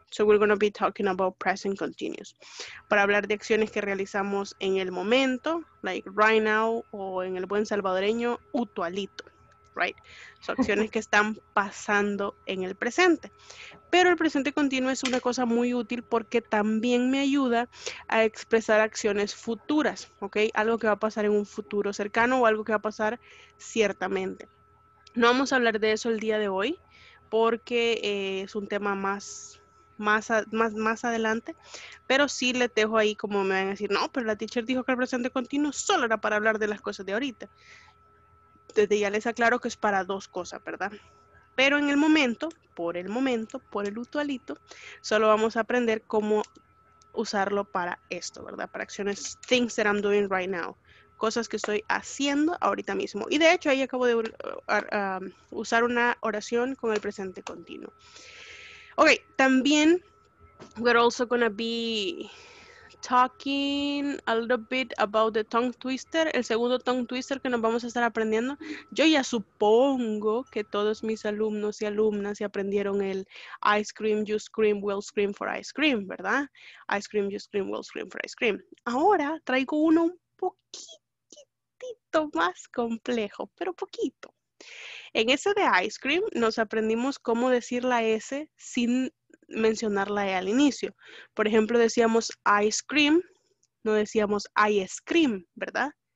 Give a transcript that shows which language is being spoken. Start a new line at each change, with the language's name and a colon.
English: So we're gonna be talking about present continuous.
Spanish: Para hablar de acciones que realizamos en el momento,
English: like right now,
Spanish: o en el buen salvadoreño, utualito, right? So acciones que están pasando en el presente. Pero el presente continuo es una cosa muy útil porque también me ayuda a expresar acciones futuras, ¿ok? Algo que va a pasar en un futuro cercano o algo que va a pasar ciertamente. No vamos a hablar de eso el día de hoy porque es un tema más adelante, pero sí les dejo ahí como me van a decir, no, pero la teacher dijo que el presente continuo solo era para hablar de las cosas de ahorita. Desde ya les aclaro que es para dos cosas, ¿verdad? Pero en el momento, por el utualito, solo vamos a aprender cómo usarlo para esto, ¿verdad? Para acciones,
English: things that I'm doing right now.
Spanish: Cosas que estoy haciendo ahorita mismo. Y de hecho, ahí acabo de usar una oración con el presente continuo. Ok, también
English: we're also going to be talking a little bit about the tongue twister,
Spanish: el segundo
English: tongue twister
Spanish: que nos vamos a estar aprendiendo. Yo ya supongo que todos mis alumnos y alumnas ya aprendieron el
English: ice cream, you scream, we'll scream for ice cream,
Spanish: ¿verdad?
English: Ice cream, you scream, we'll scream for ice cream.
Spanish: Ahora traigo uno un poquitito más complejo, pero poquito. En ese de ice cream nos aprendimos cómo decir la S sin mencionar la E al inicio. Por ejemplo, decíamos ice cream, no decíamos ice cream, ¿verdad?